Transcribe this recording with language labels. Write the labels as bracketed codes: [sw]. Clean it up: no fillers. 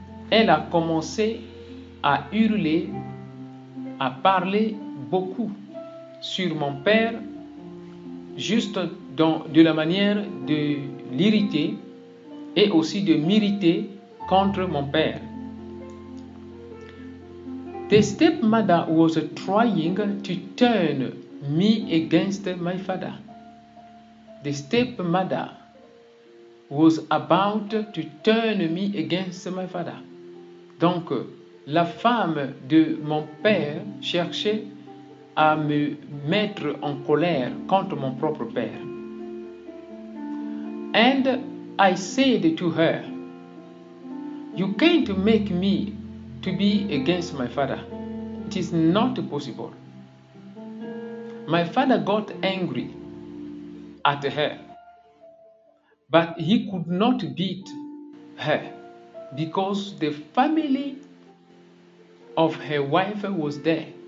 [fr] Elle a commencé à hurler, à parler beaucoup sur mon père. Juste de la manière de l'irriter et aussi de m'irriter contre mon père. [en] The stepmother was trying to turn me against my father. The stepmother was about to turn me against my father. [fr] Donc, la femme de mon père cherchait à me mettre en colère contre mon propre père. [en] And I said to her, "You can't make me to be against my father. It is not possible." My father got angry at her, but he could not beat her because the family of her wife was there.